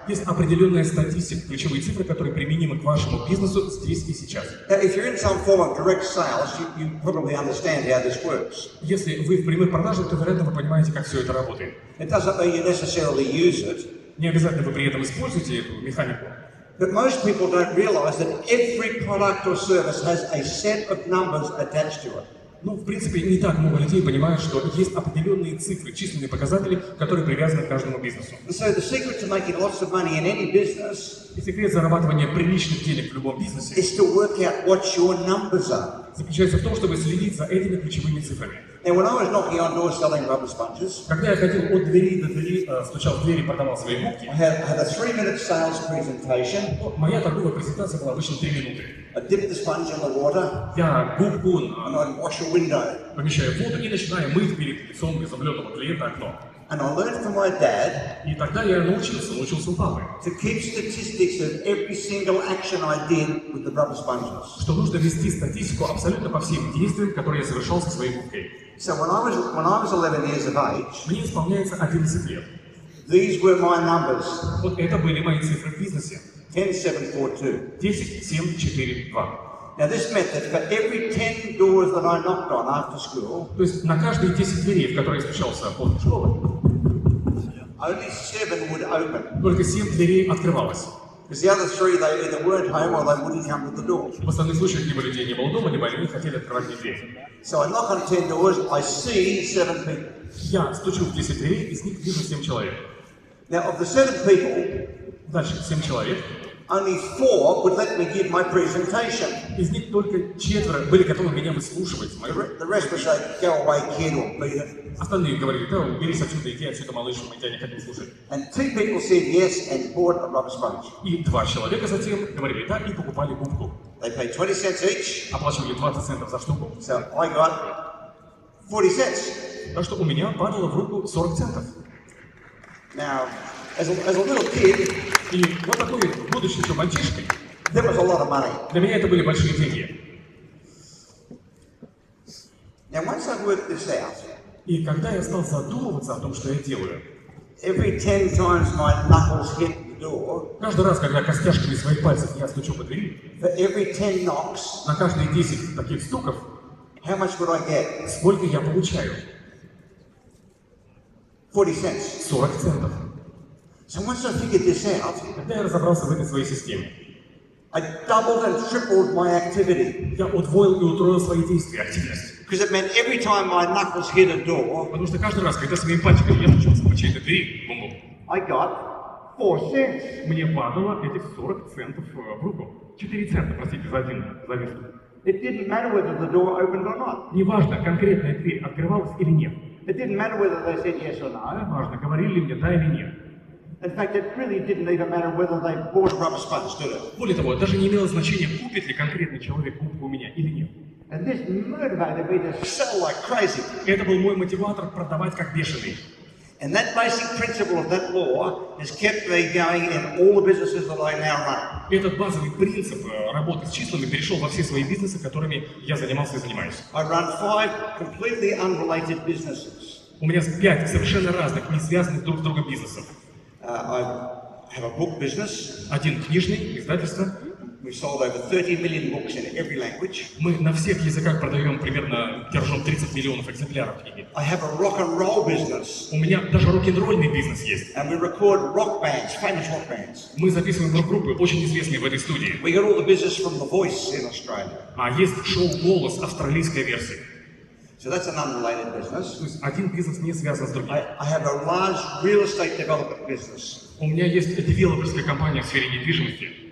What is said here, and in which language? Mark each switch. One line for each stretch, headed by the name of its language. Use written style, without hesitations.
Russian: Есть определенная статистика, ключевые цифры, которые применимы к вашему бизнесу здесь и сейчас.
English: Now, if you're in some form of direct sales, you probably understand how this works.
Russian: Если вы в прямых продажах, то, вероятно, вы понимаете, как все это работает.
English: It doesn't mean you necessarily use it.
Russian: Не обязательно вы при этом используете эту механику.
English: But most people don't realize that every product or service has a set of numbers attached to it.
Russian: Ну, в принципе, не так много людей понимают, что есть определенные цифры, численные показатели, которые привязаны к каждому бизнесу.
English: And so the secret to making lots of money in any business.
Russian: И секрет зарабатывания приличных денег в любом бизнесе.
English: Is to work out what your numbers are.
Russian: Заключается в том, чтобы следить за этими ключевыми цифрами.
English: And when I was knocking on doors selling rubber sponges,
Russian: когда я ходил от двери до двери, стучал в двери, продавал свои губки,
English: I had a 3-minute sales presentation.
Russian: Моя торговая презентация была обычно 3 минуты.
English: I dip the sponge in the water,
Russian: я губку,
English: and I'd wash a window.
Russian: Помещаю воду и начинаю мыть перед лицом изумленного клиента окно.
English: And I learned from my dad,
Russian: и тогда я научился у папы,
English: to keep statistics of every single action I did with the rubber sponges.
Russian: Что нужно вести статистику абсолютно по всем действиям, которые я совершал со своей губкой.
English: So when I was 11 years of age,
Russian: мне исполняется 11 лет.
English: These were my numbers.
Russian: Вот это были мои цифры в бизнесе.
English: 10-7-4-2. Now this meant that for every 10 doors that I knocked on after school,
Russian: то есть на каждые 10 дверей, в которые я стучался после школы,
English: only 7 would open.
Russian: Только 7 дверей открывалось.
English: Because the other 3 they either weren't home or they wouldn't come with the door.
Russian: В остальных случаях либо людей не было дома, либо они не хотели открывать мне дверь.
English: So I knock on 10 doors, I see 7 people.
Russian: Я стучу в 10 дверей, из них вижу 7 человек.
English: Now of the 7 people,
Russian: дальше 7 человек,
English: only 4 would let me give my presentation.
Russian: Из них только четверо были готовы меня выслушивать.
English: The rest would say, go away, kid, or beat it.
Russian: Остальные говорили, да, уберись отсюда, иди отсюда, малыш, мы тебя не хотим слушать.
English: And 2 people said yes and bought a rubber sponge.
Russian: И 2 человека затем говорили да и покупали губку.
English: They paid 20 cents each.
Russian: Оплачивали 20 центов за штуку.
English: So I got 40 cents.
Russian: Так что у меня падало в руку 40 центов.
English: Now, as a little kid,
Russian: и вот такой будущий еще мальчишкой,
English: there was a lot of money.
Russian: Для меня это были большие деньги.
English: Now, once I worked this out,
Russian: и когда я стал задумываться о том, что я делаю,
English: every 10 times my knuckles hit the door,
Russian: каждый раз, когда костяшками своих пальцев я стучу по двери,
English: for every 10 knocks,
Russian: на каждые 10 таких стуков,
English: how much would I get?
Russian: Сколько я получаю?
English: 40 cents.
Russian: 40 центов.
English: So once I figured this out,
Russian: когда я разобрался в этой своей системе,
English: I doubled and tripled my activity.
Russian: Я удвоил и утроил свои действия, активность.
English: Because it meant every time my knuckles hit a door,
Russian: потому что каждый раз, когда своими пальчиками я стучался по чьей-то двери, бум-бум,
English: I got 4 cents.
Russian: Мне падало этих 40 центов в руку. 4 цента, простите, за один штук.
English: It didn't matter whether the door opened or not.
Russian: Неважно, конкретная дверь открывалась или нет.
English: It didn't matter whether they said yes or no.
Russian: Важно, говорили мне да или нет.
English: In fact, it really didn't even matter whether they bought rubber sponges, did it?
Russian: Более того, даже не имело значения, купит ли конкретный человек губку у меня или нет.
English: And this motivated me to sell like crazy.
Russian: Это был мой мотиватор продавать как бешеный.
English: And that basic principle of that law has kept me going in all the businesses that I now run.
Russian: Этот базовый принцип работы с числами перешел во все свои бизнесы, которыми я занимался и занимаюсь.
English: I run 5 completely unrelated businesses.
Russian: У меня 5 совершенно разных, не связанных друг с другом бизнесов.
English: I have a book business.
Russian: Один книжный, издательство.
English: We sold over 30 million books in every language.
Russian: Мы на всех языках продаем примерно, держим 30 миллионов экземпляров книги.
English: I have a rock and roll business.
Russian: У меня даже рок-н-ролльный бизнес есть.
English: And we record rock bands, famous rock bands.
Russian: Мы записываем рок-группы, очень известные в этой студии.
English: We got all the business from The Voice in Australia.
Russian: А есть шоу «Голос», австралийская версия.
English: So that's an unrelated business.
Russian: То есть один бизнес не связан с другим.
English: I have a large real estate development business.
Russian: У меня есть девелоперская компания в сфере недвижимости.